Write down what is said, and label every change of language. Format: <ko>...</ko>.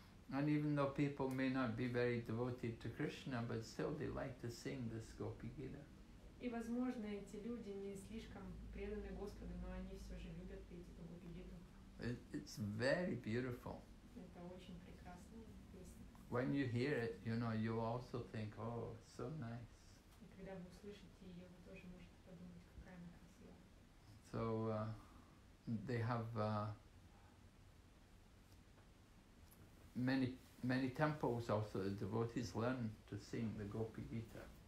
<en>And even though people may not be very devoted to Krishna, but still they like to sing this Gopi Gita.</en> <ru>И, возможно, эти люди не слишком преданы Господу, но они все же любят петь эту Гопи-гиту.</ru> <en>It's very beautiful.</en> <ru>Это очень прекрасная песня.</ru> <en>When you hear it, you know, you also think, oh, so nice.</en> <ru>И когда вы услышите ее, вы тоже можете подумать, какая она красивая.</ru> <en>So, they have many temples also, the devotees learn to sing the Gopi-gita.</en>